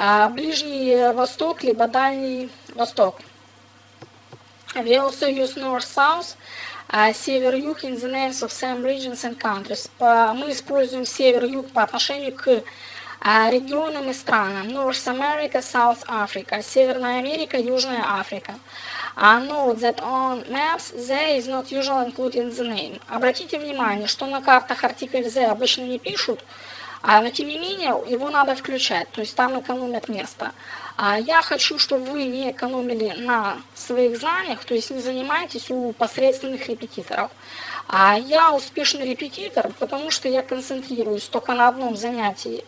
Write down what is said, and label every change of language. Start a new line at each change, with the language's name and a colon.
Russian: Ближний восток, либо дальний восток.
English: We also use north-south.
Russian: Север-юг
English: in the names of some regions and countries.
Russian: Мы используем север-юг по отношению к регионам и странам.
English: North America, South Africa.
Russian: Северная Америка, Южная Африка.
English: Note that on maps, the is not usually included in the name.
Russian: Обратите внимание, что на картах артикль the обычно не пишут, но тем не менее его надо включать, то есть там экономят место. Я хочу, чтобы вы не экономили на своих знаниях, то есть не занимайтесь у посредственных репетиторов. Я успешный репетитор, потому что я концентрируюсь только на одном занятии.